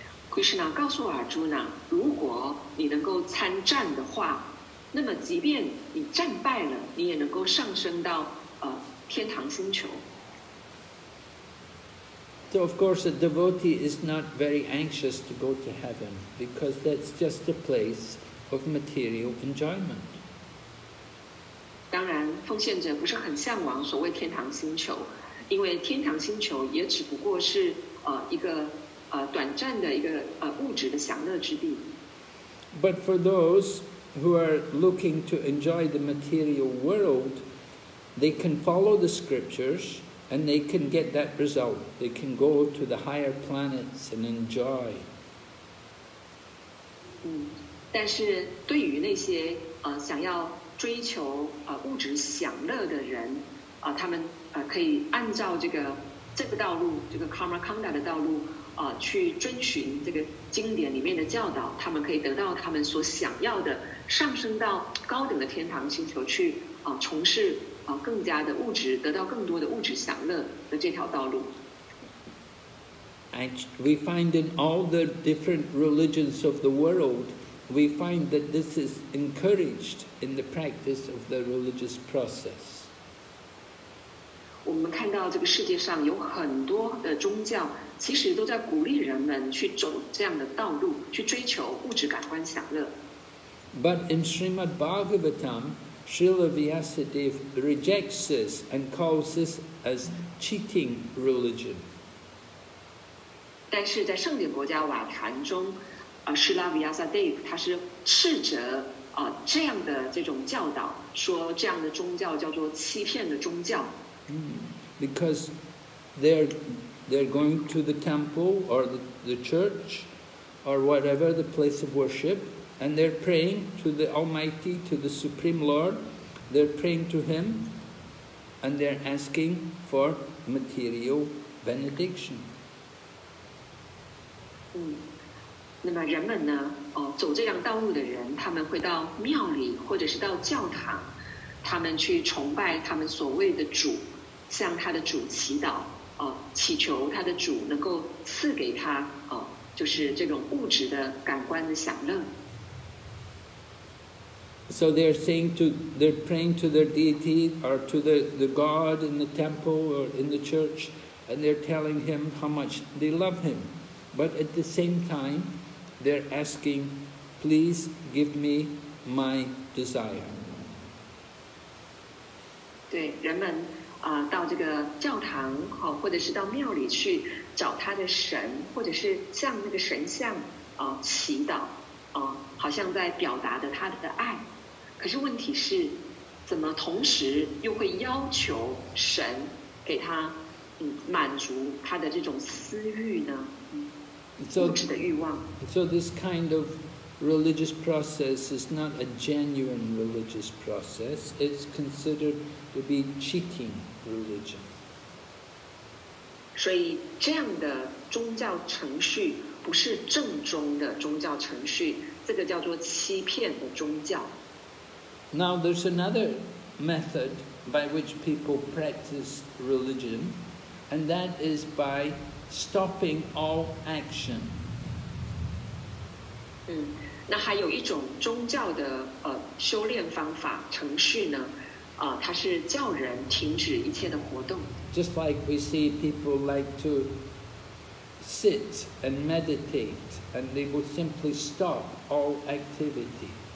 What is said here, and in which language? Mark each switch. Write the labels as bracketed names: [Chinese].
[Chinese] Krishna 告诉 Arjuna， 如果你能够参战的话，那么即便你战败了，你也能够上升到天堂星球。 [English] So of course a devotee is not very anxious to go to heaven because that's just a place of material enjoyment. [Chinese] 当然奉献者不是很向往所谓天堂星球，因为天堂星球也只不过是一个短暂的一个物质的享乐之地。 [English] But for those who are looking to enjoy the material world, they can follow the scriptures. And they can get that result. They can go to the higher planets and enjoy. [Chinese] 但是对于那些想要追求物质享乐的人他们可以按照这个道路，这个 karma kanda 的道路去遵循这个经典里面的教导，他们可以得到他们所想要的，上升到高等的天堂星球去从事更加的物质，得到更多的物质享乐的这条道路。 [English] We find in all the different religions of the world, we find that this is encouraged in the practice of the religious process. [Chinese] 我们看到这个世界上有很多的宗教，其实都在鼓励人们去走这样的道路，去追求物质感官享乐。 [English] But in Srimad Bhagavatam, Srila Vyasadeva rejects this and calls this as cheating religion. [Chinese] 但是在圣典国家瓦坛中，施拉维亚萨德夫他是斥责这样的这种教导，说这样的宗教叫做欺骗的宗教。 [English] Because they're going to the temple or the church or whatever the place of worship, and they're praying to the Almighty, to the Supreme Lord. They're praying to Him, and they're asking for material benediction. [Chinese] 那么人们呢走这样道路的人，他们会到庙里或者是到教堂，他们去崇拜他们所谓的主，向他的主祈祷祈求他的主能够赐给他就是这种物质的感官的享乐。 [English] So they're praying to their deity or to the God in the temple or in the church, and they're telling him how much they love himBut at the same time, they're asking, please give me my desire. [Chinese] 对，人们到这个教堂或者是到庙里去找他的神，或者是向那个神像祈祷好像在表达的他的爱。可是问题是，怎么同时又会要求神给他满足他的这种私欲呢？ [English] So this kind of religious process is not a genuine religious process. It's considered to be cheating religion. [Chinese] 所以这样的宗教程序不是正宗的宗教程序，这个叫做欺骗的宗教。 [English] Now there's another method by which people practice religion, and that is by stopping all action. [Chinese] 那还有一种宗教的修炼方法程序呢，它是叫人停止一切的活动。 [English] Just like we see people like to sit and meditate, and they will simply stop all activity.